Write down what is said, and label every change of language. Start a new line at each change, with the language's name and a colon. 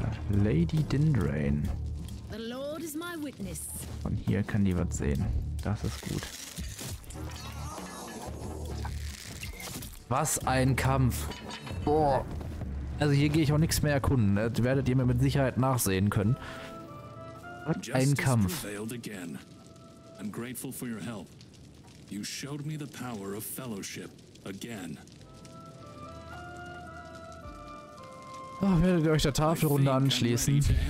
English: Lady Dindrain. The Lord is my witness.
German: Von hier kann die was sehen. Das ist gut. Was ein Kampf. Boah. Also hier gehe ich auch nichts mehr erkunden. Das werdet ihr mir mit Sicherheit nachsehen können. Ein Kampf.
English: Prevailed again. I'm grateful for your help. You showed me the power of fellowship again.
German: Ach, werdet ihr euch der Tafelrunde anschließen?